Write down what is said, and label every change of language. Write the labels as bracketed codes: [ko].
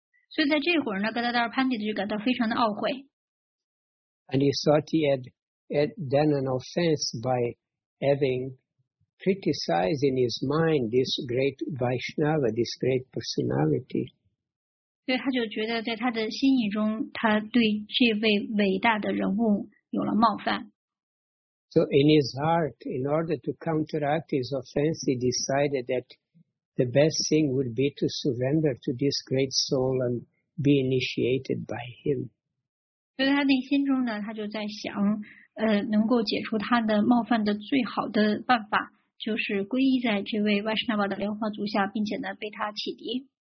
[zh] So 在这会儿呢 ，Gadadhar Pandit 就感到非常的懊悔。 [en] And he thought he had done an offense by having criticized in his mind this great Vaishnava, this great personality. [zh] 所以他就觉得在他的心意中，他对这位伟大的人物有了冒犯。 [en] So in his heart, in order to counteract his offense, he decided that the best thing would be to surrender to this great soul and be initiated by him. [zh] 所以他内心中呢，他就在想，能够解除他的冒犯的最好的办法，就是皈依在这位 Vaishnava 的莲花足下，并且呢，被他启迪。